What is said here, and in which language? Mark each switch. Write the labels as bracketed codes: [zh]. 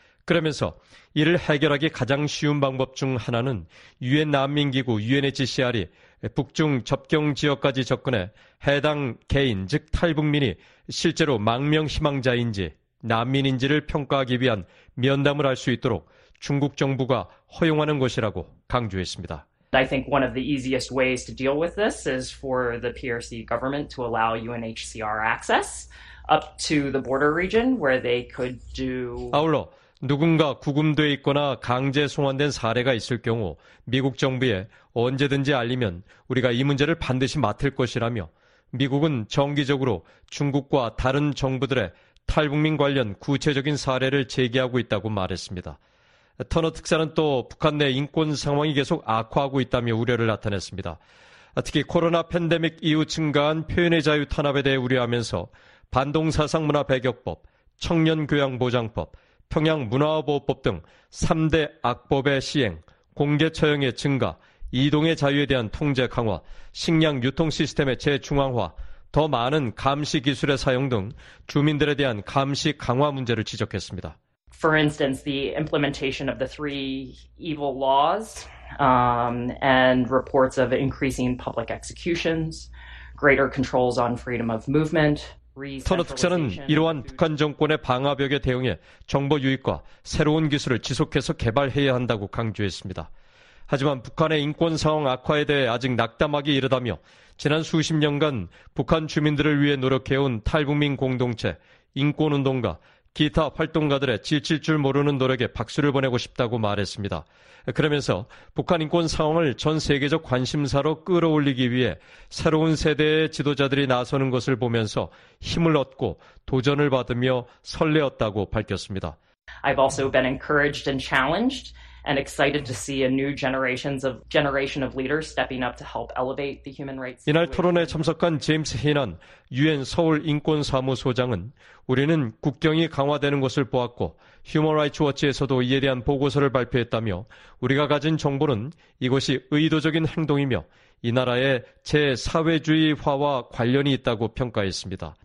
[ko] 그러면서 이를 해결하기 가장 쉬운 방법 중 하나는 유엔 난민기구 UNHCR이 북중 접경 지역까지 접근해 해당 개인, 즉 탈북민이 실제로 망명 희망자인지 난민인지를 평가하기 위한 면담을 할 수 있도록 중국 정부가 허용하는 것이라고 강조했습니다. [en] I think one of the easiest ways to deal with this is for the PRC government to allow UNHCR access up to the border region where they could do [ko] 아울러 누군가 구금돼 있거나 강제 송환된 사례가 있을 경우 미국 정부에 언제든지 알리면 우리가 이 문제를 반드시 맡을 것이라며 미국은 정기적으로 중국과 다른 정부들의 탈북민 관련 구체적인 사례를 제기하고 있다고 말했습니다. 터너 특사는 또 북한 내 인권 상황이 계속 악화하고 있다며 우려를 나타냈습니다. 특히 코로나 팬데믹 이후 증가한 표현의 자유 탄압에 대해 우려하면서 반동사상문화배격법, 청년교양보장법, 평양문화보호법 등 3대 악법의 시행, 공개 처형의 증가, 이동의 자유에 대한 통제 강화, 식량 유통 시스템의 재중앙화, 더 많은 감시 기술의 사용 등 주민들에 대한 감시 강화 문제를 지적했습니다. [en] For instance, the implementation of the three evil laws and reports of increasing public executions, greater controls on freedom of movement. [ko] 터너 특사는 이러한 북한 정권의 방화벽에 대응해 정보 유입과 새로운 기술을 지속해서 개발해야 한다고 강조했습니다. 하지만 북한의 인권 상황 악화에 대해 아직 낙담하기 이르다며 지난 수십 년간 북한 주민들을 위해 노력해온 탈북민 공동체, 인권운동가, 기타 활동가들의 지칠 줄 모르는 노력에 박수를 보내고 싶다고 말했습니다. 그러면서 북한 인권 상황을 전 세계적 관심사로 끌어올리기 위해 새로운 세대의 지도자들이 나서는 것을 보면서 힘을 얻고 도전을 받으며 설레었다고 밝혔습니다. [en] I've also been encouraged and challenged and excited to see a new generation of leaders stepping up to help elevate the human rights. [ko] 이날 토론에 참석한 제임스 히넌 UN 서울 인권 사무소장은 우리는 국경이 강화되는 것을 보았고 휴먼 라이츠 워치에서도 이에 대한 보고서를 발표했다며 우리가 가진 정보는 이것이 의도적인 행동이며 이 나라의 제사회주의화와 관련이 있다고 평가했습니다.